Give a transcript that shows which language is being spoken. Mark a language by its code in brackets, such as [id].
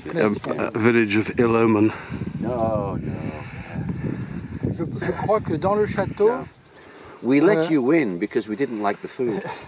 [en] Place, a village of ill omen. No. [fr] Je crois que dans le château. [en] We let you win because we didn't like the food.